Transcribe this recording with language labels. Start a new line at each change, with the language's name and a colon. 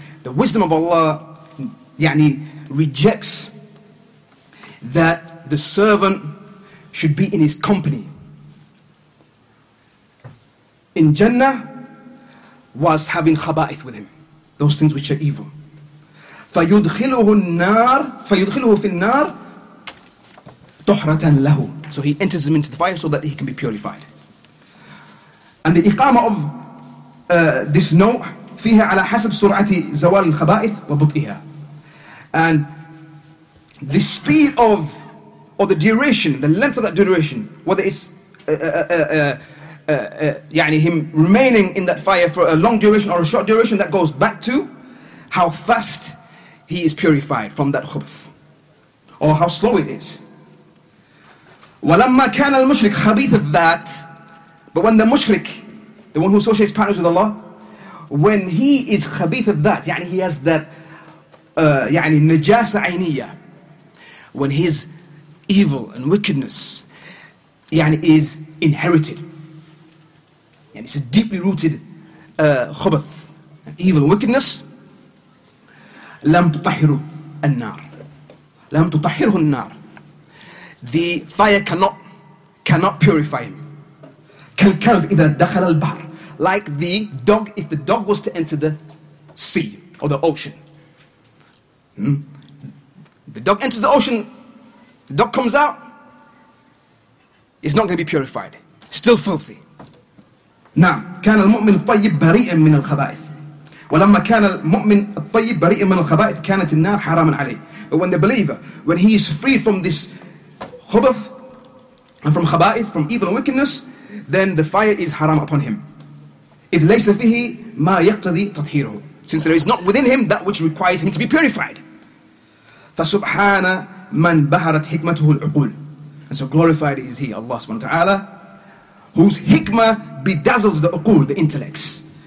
English: The wisdom of Allah يعني, rejects that the servant should be in his company in Jannah whilst having khaba'ith with him, those things which are evil.
Arabic: فَيُدْخِلُهُ فِي النَّارِ طُحْرَةً لَهُ.
English: So he enters him into the fire so that he can be purified. And the iqama of this note,
Arabic: فيها على حسب سرعة زوال الخبائث وبطئها.
English: And the speed of, or the duration, the length of that duration, whether it's يعني him remaining in that fire for a long duration or a short duration, that goes back to how fast he is purified from that خبث, or how slow it is.
Arabic: ولما كان المشرك خبيث الذات.
English: But when the mushrik, the one who associates partners with Allah, when he is khabith of that, يعني he has that يعني نجاسة عينية, when his evil and wickedness يعني is inherited, يعني it's a deeply rooted khubath, evil wickedness,
Arabic: لم تطهره النار.
English: The fire cannot purify him.
Arabic: كالكلب إذا دخل البحر.
English: Like the dog, if the dog was to enter the sea or the ocean. The dog enters the ocean, the dog comes out, it's not going to be purified. Still filthy.
Arabic: نعم, كان المؤمن الطيب بريئا من الخبائث. ولما كان المؤمن الطيب بريئا من الخبائث كانت النار حراما عليه.
English: But when the believer, when he is free from this خبث and from خبائث, from evil and wickedness, then the fire is haram upon him.
Arabic: إِذْ لَيْسَ فِيهِ مَا يَقْتَذِي تَطْحِيرُهُ.
English: Since there is not within him that which requires him to be purified.
Arabic: فَسُبْحَانَ مَنْ بَهَرَتْ حِكْمَتُهُ الْعُقُولِ.
English: And so glorified is he, Allah subhanahu wa ta'ala, whose hikmah bedazzles the uqul, the intellects.